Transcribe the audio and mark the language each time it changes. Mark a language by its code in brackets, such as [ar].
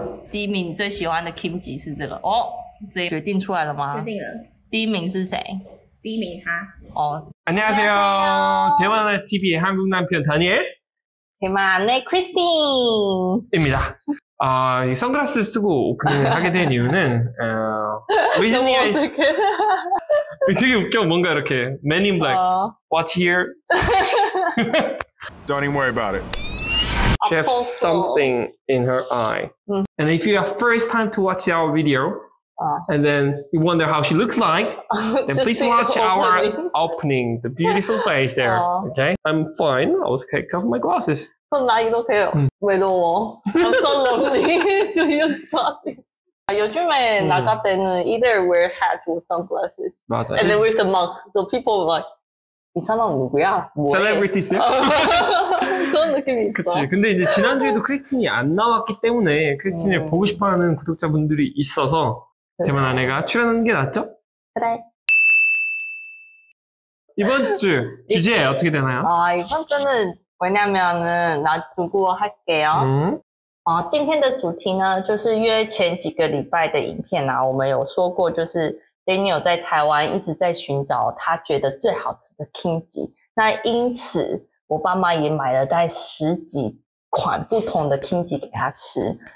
[zh] 第一名最喜欢的 kimchi 是这个哦，这决定出来了吗？决定了。第一名是谁？第一名他。哦， [ko] 안녕하세요，대만의 TV 한국남편다니엘， 대만의 Christine 입니다。 아이선글라스를쓰고오픈을하게된이유는리즈니의되게웃겨뭔가이렇게 [en] Men in Black What's here? Don't even worry about it. She has something in her eye. And if you are first time to watch our video, and then you wonder how she looks like, then please watch our opening, the beautiful face there. Okay, I'm fine. I was okay. Cover my glasses. [ko] 그럼 나 이렇게 왜 넣어? [en] I'm so lonely. So use glasses. [ko] 요즘에 나갈 때는 [en] either wear hat or sunglasses. [ko] 맞아. [en] And then with the mask. So people are like, [ko] 이 사람 누구야? 뭐 Celebrity 쓰? 그런 느낌이 있어. 그치. 근데 이제 지난주에도 크리스틴이 안 나왔기 때문에 크리스틴을 보고 싶어 하는 구독자분들이 있어서 대만 아내가 출연하는 게 낫죠? 그래. 이번 주 주제 어떻게 되나요? 아, 이번 주는 왜냐면은 나 두고 할게요. [zh] 아, 今天的 主题呢就是约前几个礼拜的影片啊我们有说过就是 Daniel 在台湾一直在寻找他觉得最好吃的 kimchi， 那因此我爸妈也买了大概十几款不同的 kimchi 给他吃。